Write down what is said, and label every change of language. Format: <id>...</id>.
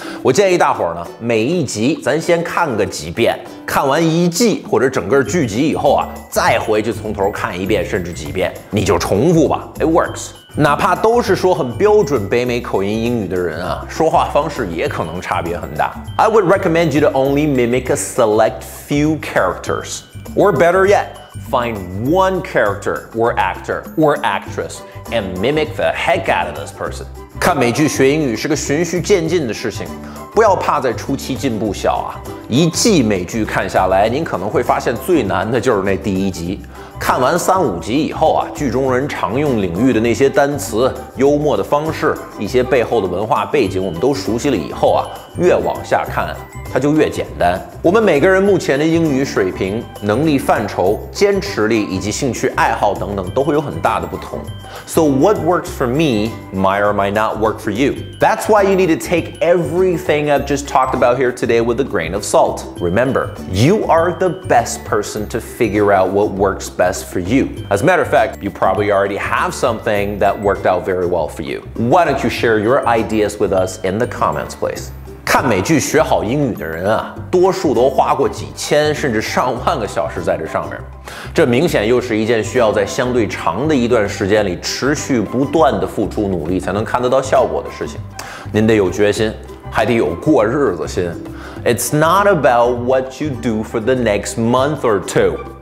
<zh>我建议大伙儿呢，每一集咱先看个几遍，看完一季或者整个剧集以后啊，再回去从头看一遍甚至几遍，你就重复吧。</zh> <en>It works.</en> <zh>哪怕都是说很标准北美口音英语的人啊，说话方式也可能差别很大。</zh> <en>I would recommend you to only mimic a select few characters. Or better yet, find one character or actor or actress and mimic the heck out of this person.</en> <zh>看美剧学英语是个循序渐进的事情，不要怕在初期进步小啊，一季美剧看下来，您可能会发现最难的就是那第一集，看完三五集以后啊，剧中人常用领域的那些单词、幽默的方式、一些背后的文化背景我们都熟悉了以后啊，越往下看它就越简单。我们每个人目前的英语水平、能力范畴、坚持力以及兴趣爱好等等都会有很大的不同。</zh> <en>So what works for me might or might not work for you. That's why you need to take everything I've just talked about here today with a grain of salt. Remember, you are the best person to figure out what works best for you. As a matter of fact, you probably already have something that worked out very well for you. Why don't you share your ideas with us in the comments, please?</en> <zh>看美剧学好英语的人啊，多数都花过几千甚至上万个小时在这上面，这明显又是一件需要在相对长的一段时间里持续不断的付出努力才能看得到效果的事情，您得有决心，还得有过日子心。</zh> <en>It's not about what you do for the next month or two.</en>